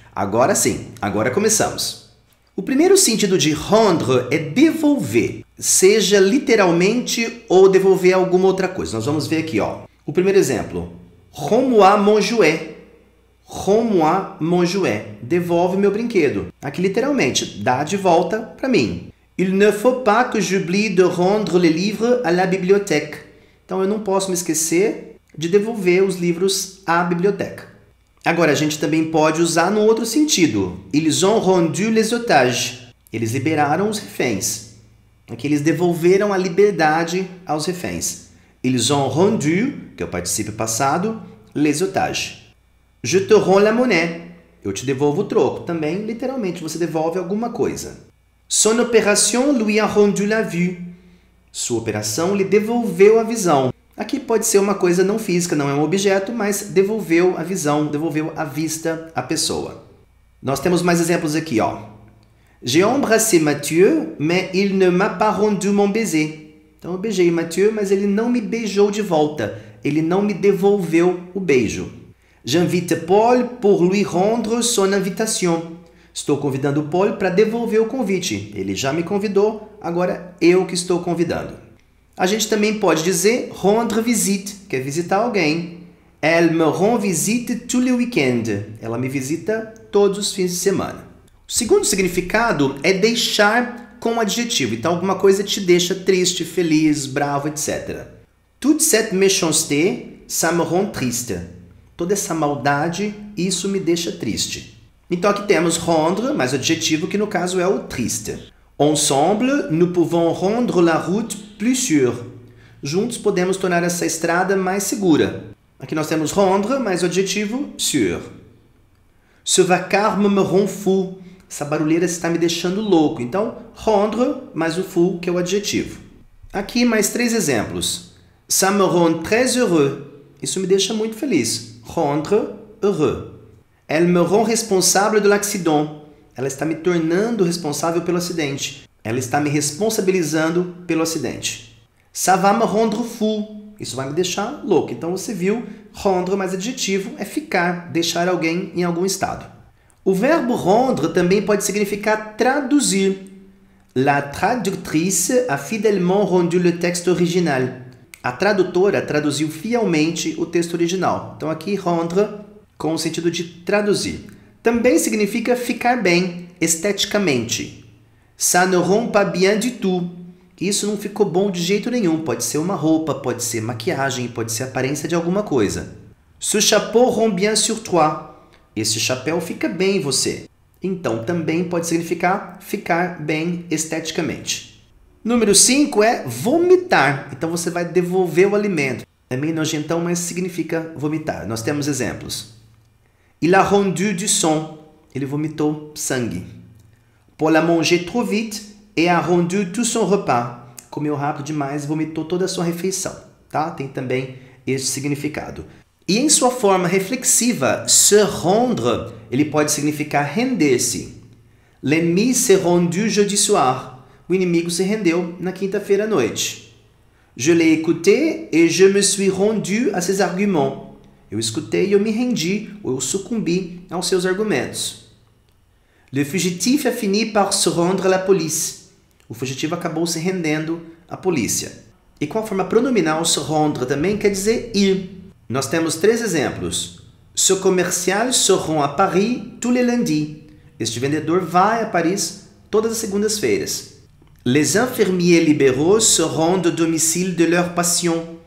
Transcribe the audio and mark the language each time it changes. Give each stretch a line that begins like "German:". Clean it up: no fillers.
Portuguese: Agora sim, agora começamos. O primeiro sentido de rendre é devolver, seja literalmente ou devolver alguma outra coisa. Nós vamos ver aqui, ó. O primeiro exemplo,
French: rends-moi mon jouet. Rends-moi mon jouet.
Portuguese: Devolve meu brinquedo. Aqui, literalmente, dá de volta para mim.
French: Il ne faut pas que j'oublie de rendre les livres à la bibliothèque.
Portuguese: Então, eu não posso me esquecer de devolver os livros à biblioteca. Agora, a gente também pode usar no outro sentido.
French: Ils ont rendu les otages.
Portuguese: Eles liberaram os reféns. Aqui, eles devolveram a liberdade aos reféns.
French: Ils ont rendu,
Portuguese: que é o participio passado,
French: les otages. Je te rends la monnaie.
Portuguese: Eu te devolvo o troco. Também, literalmente, você devolve alguma coisa.
French: Son opération lui a rendu la vue.
Portuguese: Sua operação lhe devolveu a visão. Aqui pode ser uma coisa não física, não é um objeto, mas devolveu a visão, devolveu a vista à pessoa. Nós temos mais exemplos aqui, ó.
French: J'ai embrassé Mathieu, mais il ne m'a pas rendu mon baiser.
Portuguese: Então, eu beijei Mathieu, mas ele não me beijou de volta. Ele não me devolveu o beijo.
French: J'invite Paul pour lui rendre son invitation.
Portuguese: Estou convidando Paul para devolver o convite. Ele já me convidou, agora eu que estou convidando. A gente também pode dizer rendre visite, que é visitar alguém.
French: Elle me rend visite tous les week-ends.
Portuguese: Ela me visita todos os fins de semana. O segundo significado é deixar com um adjetivo. Então, alguma coisa te deixa triste, feliz, bravo, etc.
French: Toute cette méchanceté, ça me rend triste.
Portuguese: Toda essa maldade, isso me deixa triste. Então aqui temos rendre, mais adjetivo, que no caso é o triste.
French: Ensemble, nous pouvons rendre la route plus sûre.
Portuguese: Juntos podemos tornar essa estrada mais segura. Aqui nós temos rendre, mais adjetivo, sûr.
French: Ce vacarme me rend fou.
Portuguese: Essa barulheira está me deixando louco. Então, rendre, mais o fou, que é o adjetivo. Aqui mais três exemplos.
French: Ça me rend très heureux.
Portuguese: Isso me deixa muito feliz.
French: Rendre heureux. Elle me rend responsable de l'accident.
Portuguese: Ela está me tornando responsável pelo acidente. Ela está me responsabilizando pelo acidente.
French: Ça va me rendre fou.
Portuguese: Isso vai me deixar louco. Então você viu, rendre mais adjetivo é ficar, deixar alguém em algum estado. O verbo rendre também pode significar traduzir.
French: La traductrice a fidèlement rendu le texte original.
Portuguese: A tradutora traduziu fielmente o texto original. Então, aqui, rendre, com o sentido de traduzir. Também significa ficar bem, esteticamente.
French: Ça ne rend pas bien du tout.
Portuguese: Isso não ficou bom de jeito nenhum. Pode ser uma roupa, pode ser maquiagem, pode ser aparência de alguma coisa.
French: Ce chapeau rend bien sur toi.
Portuguese: Esse chapéu fica bem em você. Então, também pode significar ficar bem esteticamente. Número 5 é vomitar. Então, você vai devolver o alimento. É meio nojentão, mas significa vomitar. Nós temos exemplos.
French: Il a rendu du sang.
Portuguese: Ele vomitou sangue.
French: Paul a mangé trop vite et a rendu tout son repas.
Portuguese: Comeu rápido demais e vomitou toda a sua refeição. Tá? Tem também esse significado. E em sua forma reflexiva, se rendre, ele pode significar render-se.
French: L'ennemi s'est rendu jeudi soir.
Portuguese: O inimigo se rendeu na quinta-feira à noite.
French: Je l'ai écouté et je me suis rendu à ses arguments.
Portuguese: Eu escutei e eu me rendi, ou eu sucumbi aos seus argumentos.
French: Le fugitif a fini par se rendre à la police.
Portuguese: O fugitivo acabou se rendendo à polícia. E com a forma pronominal, se rendre também quer dizer ir. Nós temos três exemplos.
French: Ce commercial se rend à Paris tous les lundis.
Portuguese: Este vendedor vai a Paris todas as segundas-feiras.
French: Les infirmiers libéraux se rendent au domicile de leurs patients.